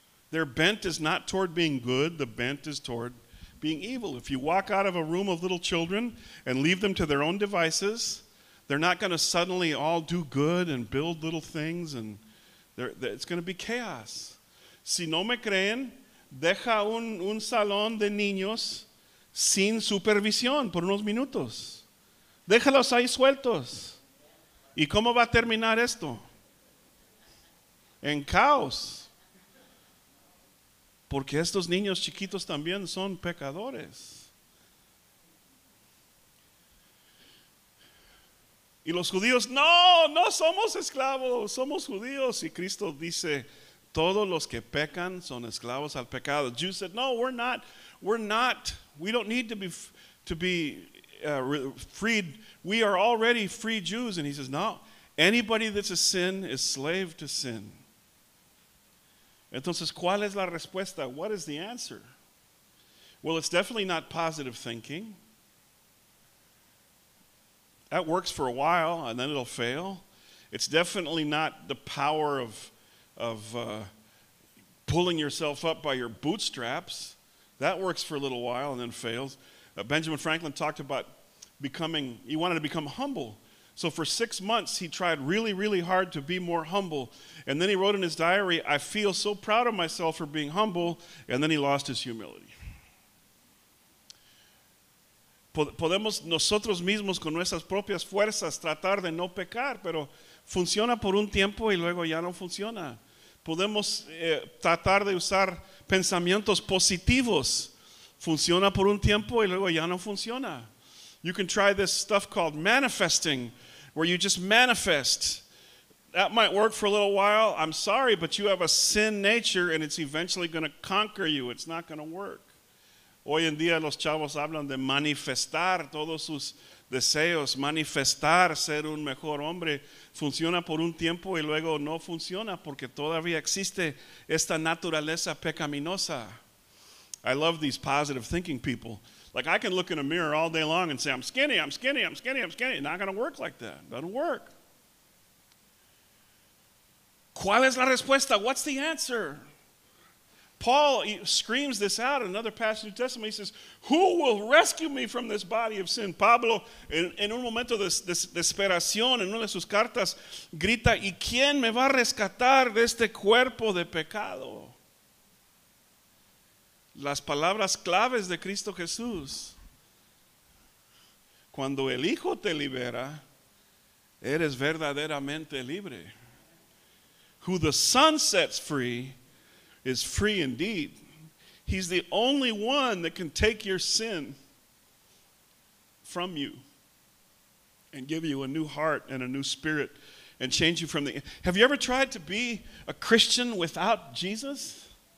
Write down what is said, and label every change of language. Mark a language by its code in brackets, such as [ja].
[en] Their bent is not toward being good, the bent is toward being evil. If you walk out of a room of little children and leave them to their own devices, they're not going to suddenly all do good and build little things, and it's going to be chaos. [es] Si no me creen, deja un salón de niños sin supervisión por unos minutos. Déjalos ahí sueltos. ¿Y cómo va a terminar esto? En caos. Porque estos niños chiquitos también son pecadores. Y los judíos, no, no somos esclavos, somos judíos. Y Cristo dice, todos los que pecan son esclavos al pecado. [en] Jews said, no, we're not, we don't need to be freed. We are already free Jews. And he says, no, anybody that's a sin is slave to sin. [es] Entonces, ¿cuál es la respuesta? [en] What is the answer? Well, it's definitely not positive thinking. That works for a while, and then it'll fail. It's definitely not the power of pulling yourself up by your bootstraps. That works for a little while and then fails. Benjamin Franklin talked about he wanted to become humble. So for 6 months, he tried really, really hard to be more humble. And then he wrote in his diary, I feel so proud of myself for being humble. And then he lost his humility. [es] Podemos nosotros mismos con nuestras propias fuerzas tratar de no pecar, pero funciona por un tiempo y luego ya no funciona. Podemos tratar de usar pensamientos positivos. Funciona por un tiempo y luego ya no funciona. [en] You can try this stuff called manifesting, where you just manifest. That might work for a little while. I'm sorry, but you have a sin nature, and it's eventually going to conquer you. It's not going to work. [es] Hoy en día los chavos hablan de manifestar todos sus deseos, manifestar ser un mejor hombre. Funciona por un tiempo y luego no funciona porque todavía existe esta naturaleza pecaminosa. [en] I love these positive thinking people. Like, I can look in a mirror all day long and say, I'm skinny, I'm skinny, I'm skinny, I'm skinny. Not going to work like that. Doesn't work. [es] ¿Cuál es la respuesta? [en] What's the answer? Paul screams this out in another passage of the New Testament. He says, who will rescue me from this body of sin? [es] Pablo, en un momento de desesperación, en una de sus cartas, grita, ¿y quién me va a rescatar de este cuerpo de pecado? Las palabras claves de Cristo Jesús. Cuando el Hijo te libera, eres verdaderamente libre. [en] Who the Son sets free is free indeed. He's the only one that can take your sin from you and give you a new heart and a new spirit and change you from the... Have you ever tried to be a Christian without Jesus?